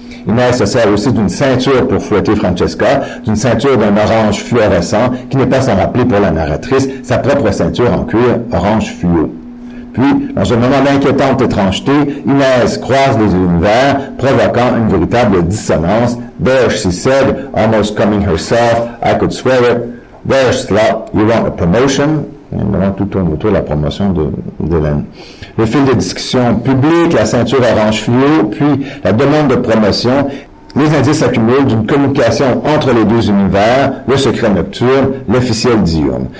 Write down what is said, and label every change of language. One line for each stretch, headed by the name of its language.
French: Inès se sert aussi d'une ceinture pour fouetter Francesca, d'une ceinture d'un orange fluorescent qui n'est pas sans rappeler pour la narratrice sa propre ceinture en cuir orange fluo. Puis, dans un moment d'inquiétante étrangeté, Inès croise les univers, provoquant une véritable dissonance.
English: There she said, almost coming herself, I could swear it. There she thought, you want a promotion?
French: Maintenant, tout tourne autour de la promotion d'Hélène. Le fil de discussion publique, la ceinture orange fluo, puis la demande de promotion, les indices accumulés d'une communication entre les deux univers, le secret nocturne, l'officiel diurne.